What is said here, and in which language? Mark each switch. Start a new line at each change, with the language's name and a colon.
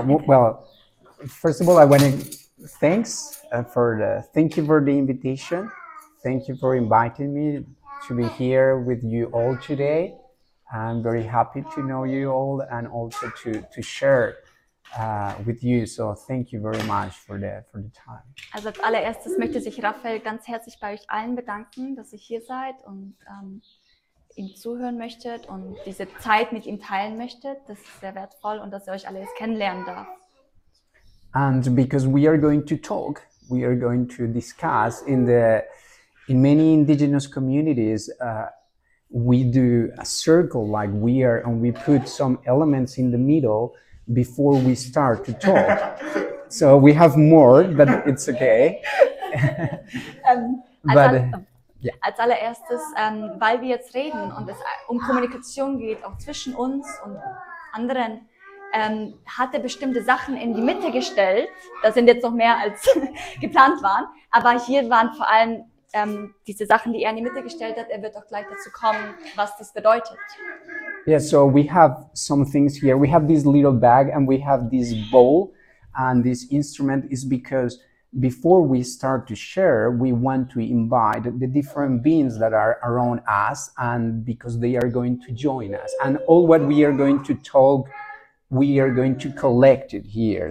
English: Well, first of all, I want to thanks for the thank you for the invitation. Thank you for inviting me to be here with you all today. I'm very happy to know you all and also to share with you. So thank you very much for the time.
German: Also als allererstes möchte sich Raphael ganz herzlich bei euch allen bedanken, dass ihr hier seid und ihm zuhören möchtet und diese Zeit mit ihm teilen möchtet. Das ist sehr wertvoll und dass ihr euch alle erst kennenlernen darf.
English: And because we are going to talk, we are going to discuss in many indigenous communities, we do a circle like we are and we put some elements in the middle before we start to talk. So we have more, but it's okay.
German: Als allererstes, weil wir jetzt reden und es um Kommunikation geht, auch zwischen uns und anderen, hat er bestimmte Sachen in die Mitte gestellt. Das sind jetzt noch mehr als geplant waren. Aber hier waren vor allem diese Sachen, die er in die Mitte gestellt hat. Er wird auch gleich dazu kommen, was das bedeutet.
English: Yeah, so we have some things here. We have this little bag and we have this bowl. And this instrument is because before we start to share, we want to invite the different beings that are around us and because they are going to join us. And all what we are going to talk, we are going to collect it here.